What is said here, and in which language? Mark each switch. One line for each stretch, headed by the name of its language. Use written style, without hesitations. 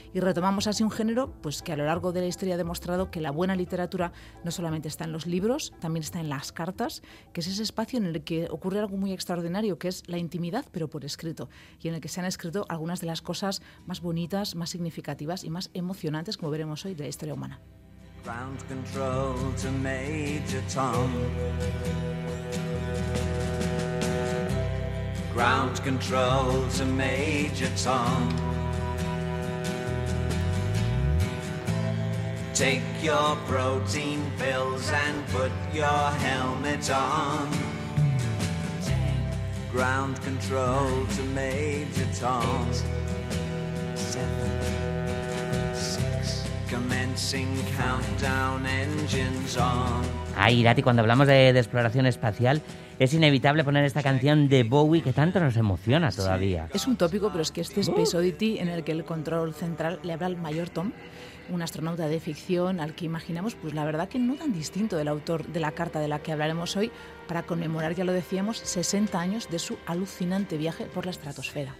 Spanish: Y retomamos así un género pues que a lo largo de la historia ha demostrado que la buena literatura no solamente está en los libros, también está en las cartas, que es ese espacio en el que ocurre algo muy extraordinario, que es la intimidad, pero por escrito, y en el que se han escrito algunas de las cosas más bonitas, más significativas y más emocionantes, como veremos hoy, de la historia humana.
English: Ground control to Major Tom. Ground control to Major Tom. Take your protein pills and put your helmet on. Ground control to Major Tom. Commencing countdown, engines on.
Spanish: Ay, Irati, cuando hablamos de exploración espacial, es inevitable poner esta canción de Bowie que tanto nos emociona todavía. Es un tópico, pero es que este es Space Oddity, en el que el control central le habla al mayor Tom, un astronauta de ficción al que imaginamos, pues la verdad que no tan distinto del autor de la carta de la que hablaremos hoy, para conmemorar, ya lo decíamos, 60 años de su alucinante viaje por la estratosfera.